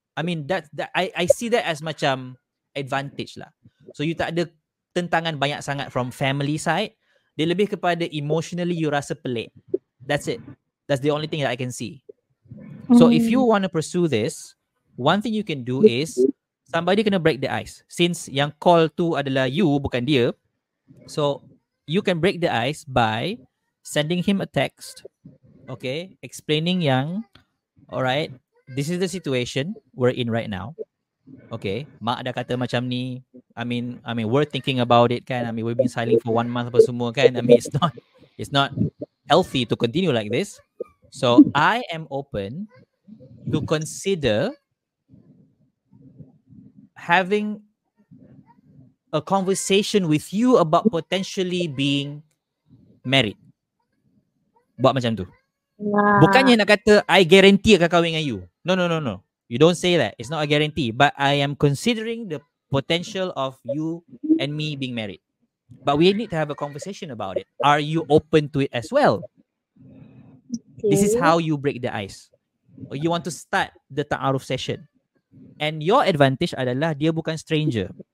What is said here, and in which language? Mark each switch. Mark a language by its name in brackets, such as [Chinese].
[English] I mean, I see that as macam advantage lah. [Malay] So, you tak ada tentangan banyak sangat [English] from family side. [Malay] Dia lebih kepada emotionally you rasa pelik. [English] That's it. That's the only thing that I can see. So, if you want to pursue this, one thing you can do is somebody [Malay] kena break the ice. Since yang call tu adalah you, bukan dia. [English] So, you can break the ice by sending him a text. Okay? Explaining yang, alright, this is the situation we're in right now. Okay. [Malay] Mak dah kata macam ni. [English] I mean, we're thinking about it, kan? I mean, we've been silent for 1 month apa semua, kan? I mean, it's not healthy to continue like this. So, I am open to consider having a conversation with you about potentially being married. [Malay] Buat macam tu. [English] Yeah. [Malay] Bukannya nak kata, [English] I guarantee [Malay] akan kahwin dengan [English] you. No. You don't say that. It's not a guarantee. But I am considering the potential of you and me being married. But we need to have a conversation about it. Are you open to it as well? Okay. This is how you break the ice. Or you want to start the ta'aruf session. And your advantage [Malay] adalah dia bukan stranger.